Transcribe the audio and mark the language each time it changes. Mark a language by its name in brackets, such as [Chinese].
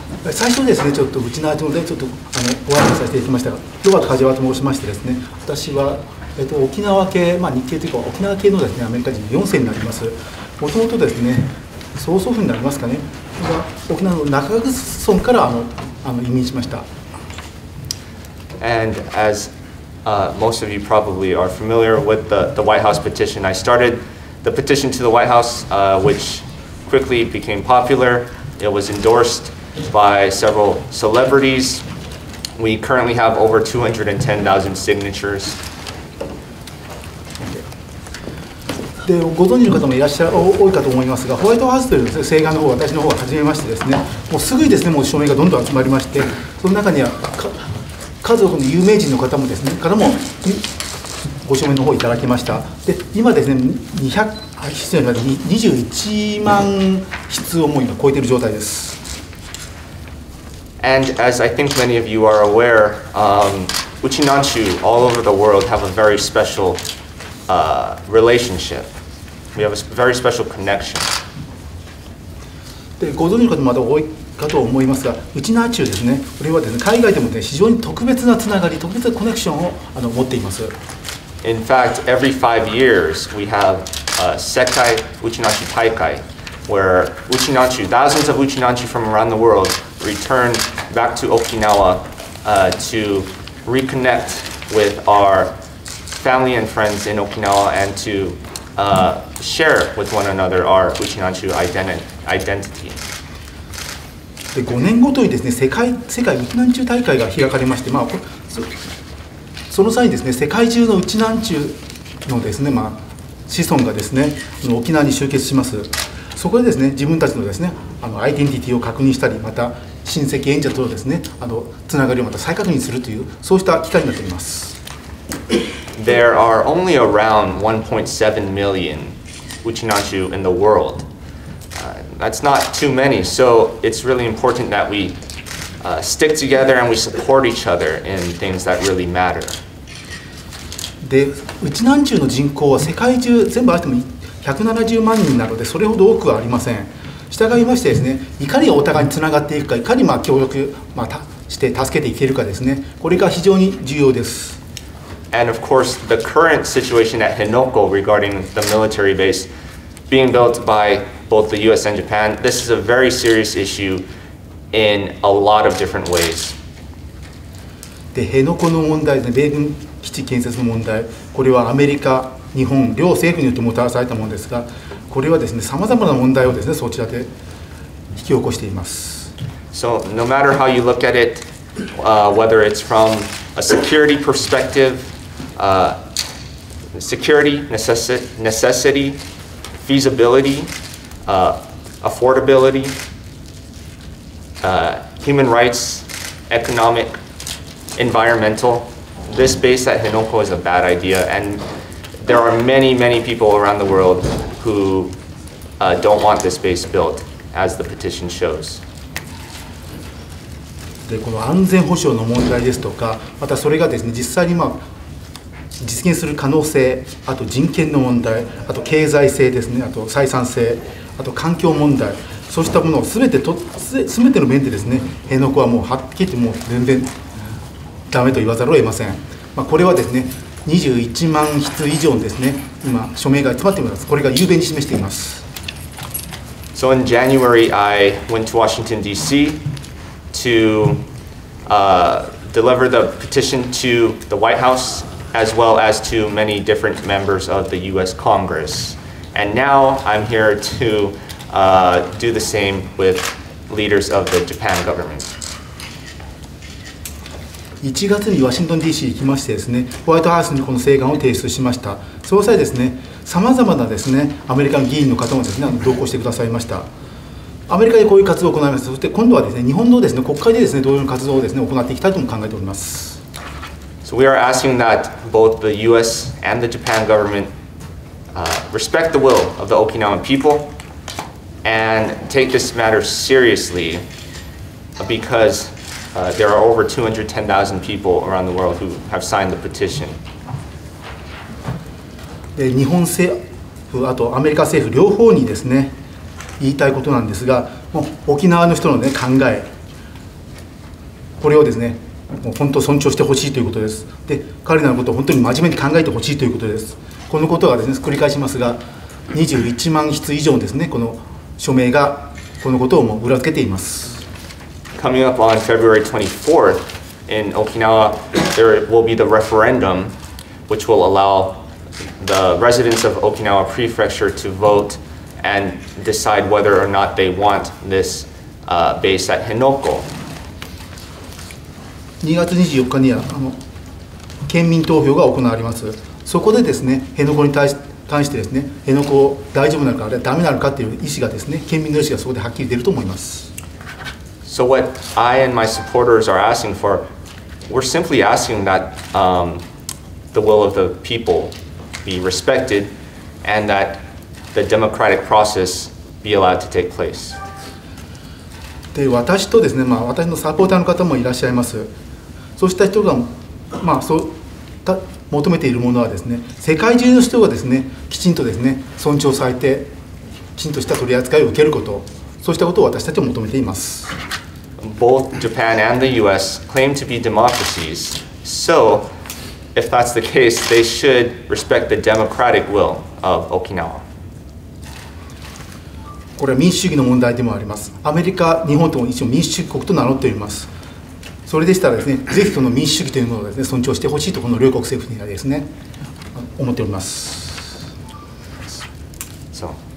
[Japanese] 最初ですね、ちょっとウチナーチュでちょっとご挨拶させていきましたが、ロバート梶原と申しましてですね、私は沖縄系、日系というか沖縄系のですね、アメリカ人4世になります。もともとですね、曽祖父になりますかね、沖縄の中城村から移民しました。 [English] And as most of you probably are familiar with the White House petition, I started the petition to the White House, which quickly became popular. It was endorsed by several celebrities. We currently have over 210,000 signatures. [Japanese] でご存じの方もいらっしゃる多いかと思いますが、ホワイトハウスというです、ね、請願の方は私の方が始めましてですね、もうすぐにですね、もう署名がどんどん集まりまして、その中には数多くの有名人の方もですね、からもご署名の方をいただきました。で今ですね、21万筆をもう今超えている状態です。 [English] And as I think many of you are aware, Uchinanchu all over the world have a very specialrelationship. We have a very special connection. [Japanese] でご存じの方もまだ多いかと思いますが、ウチナーチューですね、これはですね、海外でもね、非常に特別なつながり、特別なコネクションを持っています。 [English] In fact, every 5 years, we have a Sekai Uchinanchu Taikai, where Uchinanchu, thousands of Uchinanchu from around the world, return back to Okinawa, to reconnect with ourfamily and friends in Okinawa and to share with one another our Uchinanchu identity. [Japanese] で、5年ごとにですね、世界ウチナンチュ大会が開かれまして、その際にですね、世界中のウチナンチュのですね、子孫がですね、沖縄に集結します。そこでですね、自分たちのですね、アイデンティティを確認したり、また親戚縁者とですね、つながりをまた再確認するという、そうした機会になっております。 [English] There are only around 1.7 million Uchinanchu in the world. that's not too many. So it's really important that we stick together and we support each other in things that really matter. [Japanese] で、ウチナンチューの人口は世界中全部あっても170万人なのでそれほど多くはありません。従いましてですね、いかにお互いにつながっていくか、いかにまあ協力、まあ、して助けていけるかですね、これが非常に重要です。 [English] And of course, the current situation at Hinoko regarding the military base being built by both the US and Japan, this is a very serious issue in a lot of different ways. [Japanese] で、辺野古の問題ですね、米軍基地建設の問題、これはアメリカ、日本、両政府によってもたらされたものですが、これはですね、さまざまな問題をですね、そちらで引き起こしています。 [English] So, no matter how you look at it, whether it's from a security perspective,security, necessity, feasibility, affordability, human rights, economic, environmental. This base at Hinoko is a bad idea, and there are many, many people around the world who don't want this base built, as the petition shows. [Japanese] で、この安全保障の問題ですとか、またそれがですね、実際にまあ実現する可能性、あと人権の問題、あと経済性ですね、あと採算性、あと環境問題、そうしたものをすべての面でですね、辺野古はもうはっきり言ってもう全然ダメと言わざるを得ません。まあ、これはですね、21万筆以上ですね、今署名が集まっています。これが雄弁に示しています。 [English] So in January, I went to Washington, D.C. to deliver the petition to the White House. As well as to many different members of the US Congress. And now I'm here to do the same with leaders of the Japan government. [Japanese] 1月にワシントン DC に行きましてですね、ホワイトハウスにこの請願を提出しました。その際ですね、さまざまなですね、アメリカの議員の方もですね、同行してくださいました。アメリカでこういう活動を行います。そして今度はですね、日本のですね、国会でですね、同様の活動をですね、行っていきたいとも考えております。 [English] We are asking that both the U.S. and the Japan government respect the will of the Okinawan people and take this matter seriously because there are over 210,000 people around the world who have signed the petition. [Japanese] で、日本政府、あとアメリカ政府両方にですね、言いたいことなんですが、もう沖縄の人のね、考え、これをですね、もう本当尊重してほしいということです。で、彼らのことを本当に真面目に考えてほしいということです。このことはですね、繰り返しますが、21万筆以上ですね、この署名がこのことをもう裏付けています。 [English] Coming up on February 24th in Okinawa, there will be the referendum which will allow the residents of Okinawa Prefecture to vote and decide whether or not they want this base at Hinoko. [Japanese] 2月24日には県民投票が行われます。そこでですね、辺野古に関してですね、辺野古大丈夫なのか、あれはダメなのかという意思がですね、県民の意思がそこではっきり出ると思います。 [English] So what I and my supporters are asking for, we're simply asking that the will of the people be respected and that the democratic process be allowed to take place. [Japanese] で、私とですね、まあ、私のサポーターの方もいらっしゃいます。そうした人が、まあ、そう求めているものはですね、世界中の人がですね、きちんとですね、尊重されて、きちんとした取り扱いを受けること、そうしたことを私たちは求めています。 [English] Both Japan and the US claim to be democracies, so if that's the case, they should respect the democratic will of Okinawa. [Japanese] これは民主主義の問題でもあります。アメリカ、日本とも一応民主主義国と名乗っております。それでしたらですね、ぜひその民主主義というものをですね、尊重してほしいとこの両国政府にはですね、思っております。そう。